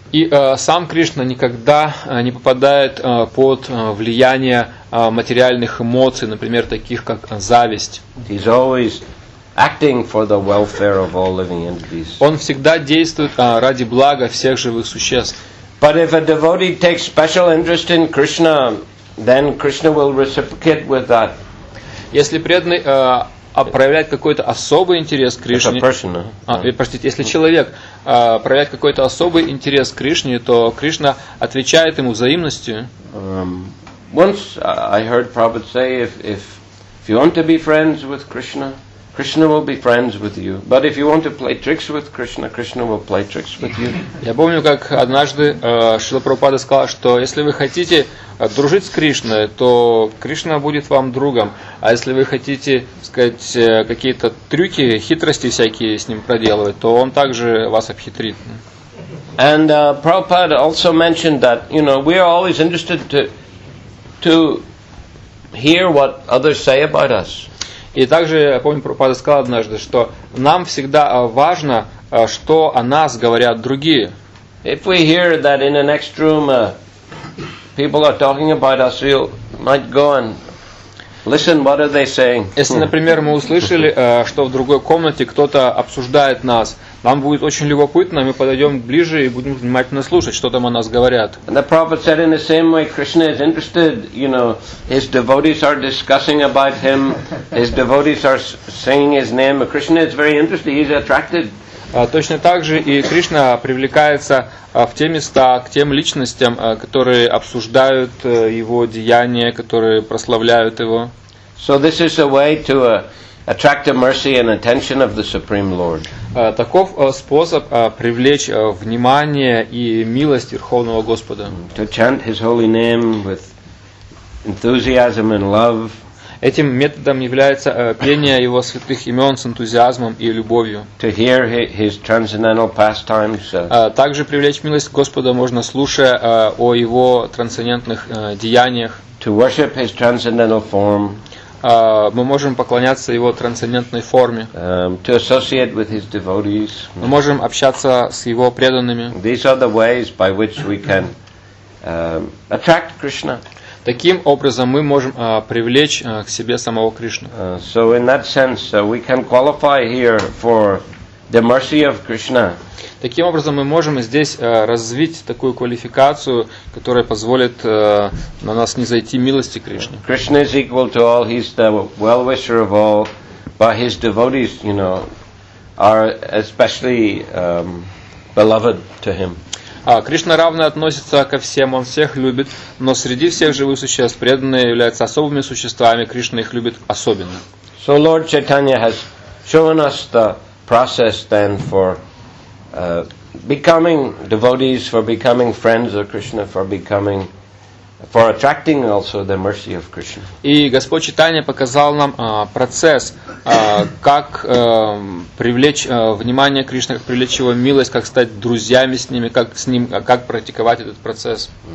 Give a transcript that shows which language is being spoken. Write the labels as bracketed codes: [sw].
[ru] И сам Кришна никогда не попадает под влияние материальных эмоций, например, таких как зависть. [en] He's always acting for the welfare of all living entities. [ru] Он всегда действует ради блага всех живых существ. [en] But if a devotee takes special interest in Krishna, then Krishna will reciprocate with that. [ru] Если преданный проявляет какой-то особый интерес к Кришне, если человек проявляет какой-то особый интерес к Кришне, то Кришна отвечает ему взаимностью. [en] Once I heard Prabhupada say, if you want to be friends with Krishna, Krishna will be friends with you. But if you want to play tricks with Krishna, Krishna will play tricks with you. [ru] Я помню, как однажды Шрила Прабхупада сказал, что если вы хотите дружить с Кришной, то Кришна будет вам другом. А если вы хотите, сказать, какие-то трюки, хитрости всякие с ним проделывать, то он также вас обхитрит. [en] And Prabhupada also mentioned that, you know, we are always interested to hear what others say about us. [ru] И также, я помню, Прабхупада сказал однажды, что нам всегда важно, что о нас говорят другие. [en] If we hear that in the next room people are talking about us, we might go and listen, what are they saying. [ru] Если, например, мы услышали, что в другой комнате кто-то обсуждает нас, нам будет очень любопытно, мы подойдем ближе и будем внимательно слушать, что там о нас говорят. [en] And the Prabhupada said in the same way, Krishna is interested, you know, his devotees are discussing about him, his devotees are saying his name. Krishna is very interested, he's attracted. [ru] Точно так же и Кришна привлекается в те места, к тем личностям, которые обсуждают его деяния, которые прославляют его. [en] So this is a way to attract the mercy and attention of the Supreme Lord. [ru] Таков способ привлечь внимание и милость Верховного Господа. [en] To chant his holy name with enthusiasm and love. [ru] Этим методом является пение его святых имен с энтузиазмом и любовью. [en] To hear his transcendental pastimes. [ru] Также привлечь милость Господа можно, слушая о его трансцендентных деяниях. [en] To worship his transcendental form. [ru] Мы можем поклоняться его трансцендентной форме. [en] To associate with his devotees. [ru] Мы можем общаться с его преданными. [en] These are the ways by which we can attract Krishna. [ru] Таким образом мы можем привлечь к себе самого Кришну. [en] So in that sense we can qualify here for the mercy of Krishna. [ru] Таким образом мы можем здесь развить такую квалификацию, которая позволит на нас низойти милости Кришны. [en] Krishna is equal to all, he's the well-wisher of all, but his devotees, you know, are especially beloved to him. [ru] Кришна равно относится ко всем, он всех любит, но среди всех живых существ преданные являются особыми существами, Кришна их любит особенно. [en] So Lord Chaitanya has shown us the process then for becoming devotees, for becoming friends of Krishna, for attracting also the mercy of Krishna. [ru] И Господь Чайтанья показал нам процесс, как привлечь внимание Кришны, как привлечь его милость, как стать друзьями с ними, как с ним, как практиковать этот процесс.